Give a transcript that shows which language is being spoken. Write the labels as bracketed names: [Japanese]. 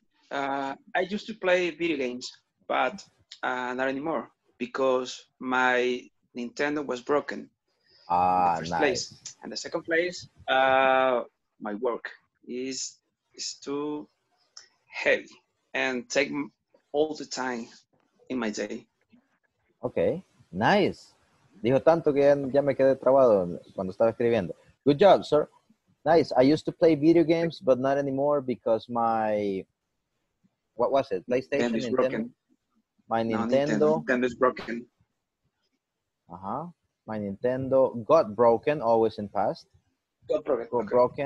[English] I used to play video games, but not anymore because my Nintendo was broken. Ah, nice. Place. And the second place, my work is too heavy and take all the time in my day. Okay, nice. [Spanish] Dijo tanto que ya me quedé trabado cuando estaba escribiendo. [English] Good job, sir. Nice. I used to play video games, but not anymore because my, what was it? PlayStation? Nintendo is broken. My Nintendo. Nintendo is broken. Uh-huh. My Nintendo got broken, always in past. Got broken.